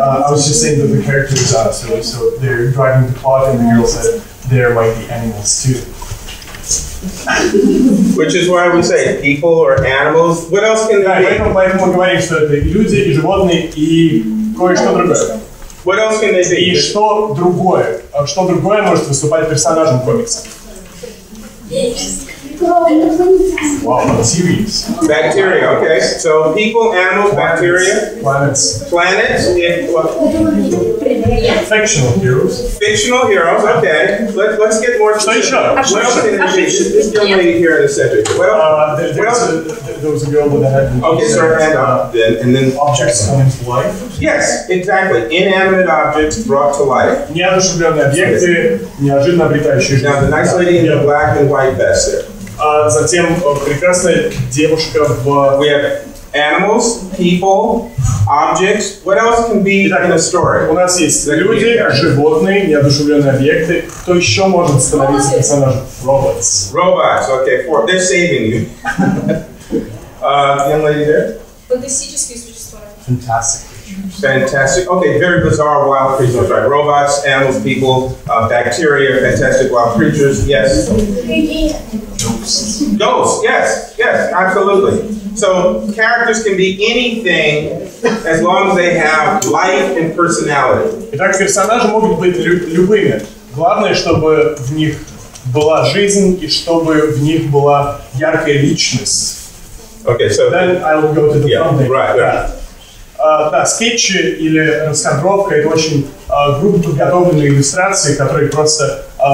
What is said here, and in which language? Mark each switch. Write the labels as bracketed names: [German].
[English] I was just saying that the characters are so they're driving the plot, and the girl said there might be animals too. Which is why I would say people or animals. What else can there be? [Russian] Поэтому говорим, что это люди, и животные, и кое-что другое. [English] What else can they be? [Russian] И что другое? Что другое может выступать персонажем комикса? [English] Wow, bacteria. Bacteria, okay. So people, animals, bacteria. Planets. Planets. Yeah. Fictional heroes, okay. Let's get more specific. What else can there be? This young lady here in the center. There was a girl with a head. Okay, so her hand up. And then objects come into life? Yes, exactly. Inanimate objects brought to life. [Russian] Неожиданные объекты, неожиданно обретающие жизнь. [English] Now the nice lady in the black and white vest there. [Russian] Затем прекрасная девушка в... [English] We have animals, people, objects. What else can be in a story? [Russian] У нас есть люди, животные, неодушевленные объекты. Кто еще может становиться персонажем? [English] Robots. Robots, okay. They're saving you. Young lady there? [Russian] Фантастические существа. [English] Fantastic. Okay, very bizarre wild creatures, right? Robots, animals, people, bacteria, fantastic wild creatures. Yes. Ghosts. Yes, absolutely. So characters can be anything as long as they have life and personality. [Russian] Итак, персонажи могут быть любыми. Главное, чтобы в них была жизнь и чтобы в них была яркая личность. [English] Okay, so then I will go to the thumbnail. Right. [Russian] Да, скетчи или раскадровка — это очень грубо подготовленные иллюстрации, которые просто